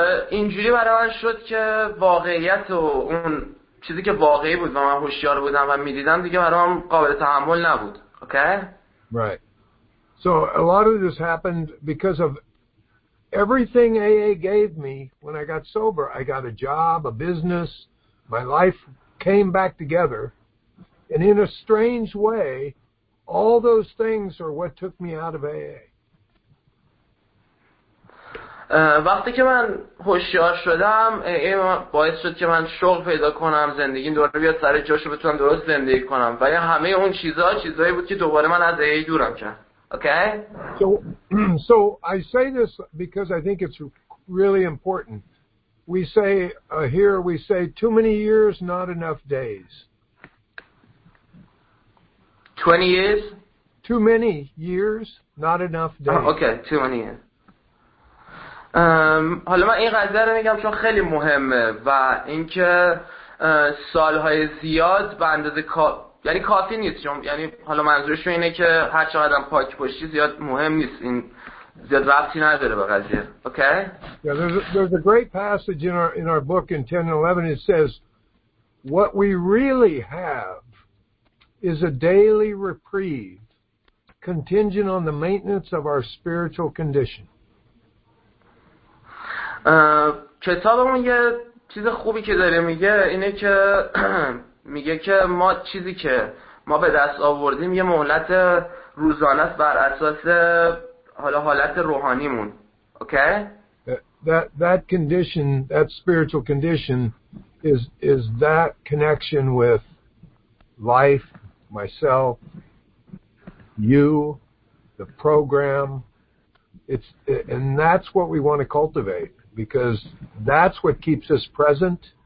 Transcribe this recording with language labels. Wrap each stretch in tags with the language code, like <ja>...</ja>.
<fa>اینجوری برای من شد که واقعیت و اون چیزی که واقعی بود و من هوشیار بودم و می‌دیدم دیگه برام قابل تحمل نبود.</fa> <en>Okay? Right. So a lot of this happened because of everything AA gave me when I got sober. I got a job, a business. My life came back together, and in a strange way, all those things are what took me out of AA.</en> <fa>وقتی که من هوشیار شدم، AA باعث شد که من شغل پیدا کنم، زندگی دوباره بیاد سر جاش و بتونم درست زندگی کنم. ولی همه اون چیزایی بود که دوباره من از AA دورم کرد.</fa> <en>Okay? So I say this because I think it's really important. We say here, we say too many years, not enough days. 20 years? Too many years, not enough days. Okay, too many years.</en> <fa>حالا من این قضیه رو میگم چون خیلی مهمه و اینکه سالهای زیاد به اندازه یعنی کافی نیست. یعنی حالا منظورش اینه که هر چقدر هم پاک باشی زیاد مهم نیست این زیاد ربطی نداره به قضیه.</fa> <en>Okay? Yeah, there's a great passage in our book in 10 and 11. It says, what we really have is a daily reprieve contingent on the maintenance of our spiritual condition.</en> <fa>کتابمون یه چیز خوبی که داره میگه اینه که میگه که ما چیزی که ما به دست آوردیم یه مهلت روزانه است بر اساس حالا حالت روحانیمون.</fa> <en>Okay? That condition, that spiritual condition is that connection with life, myself, you, the program. And that's what we want to cultivate because that's what keeps us present.</en>